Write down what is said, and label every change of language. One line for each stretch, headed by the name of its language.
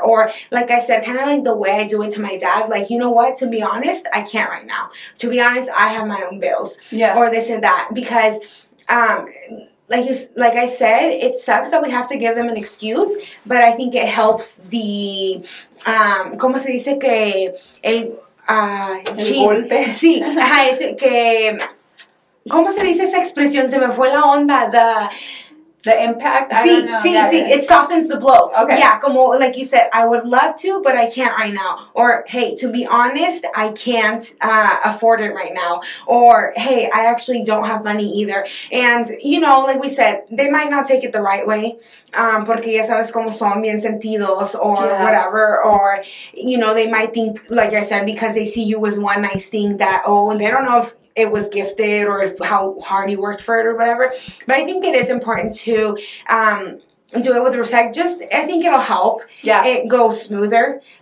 English: Or like I said, kind of like the way I do it to my dad, like, you know what, to be honest, I can't right now. To be honest, I have my own bills. Yeah. Or this or that. Because like you, like I said, it sucks that we have to give them an excuse, but I think it helps the,
Spanish: como se dice que, el golpe. Sí, ajá, eso, que, ¿cómo se dice esa expresión? Se me fue la onda,
English: the impact.
Spanish: Sí, sí, sí,
English: it softens the blow. Okay. Yeah, como, like you said, I would love to, but I can't right now. Or, hey, to be honest, I can't afford it right now. Or, hey, I actually don't have money either. And, you know, like we said, they might not take it the right way.
Spanish: Porque ya sabes cómo son bien sentidos or yeah.
English: whatever. Or, you know, they might think, like I said, because they see you as one nice thing that, oh, and they don't know if it was gifted or if how hard you worked for it or whatever. But I think it is important to do it with respect. Just, I think it'll help. Yeah. It goes smoother.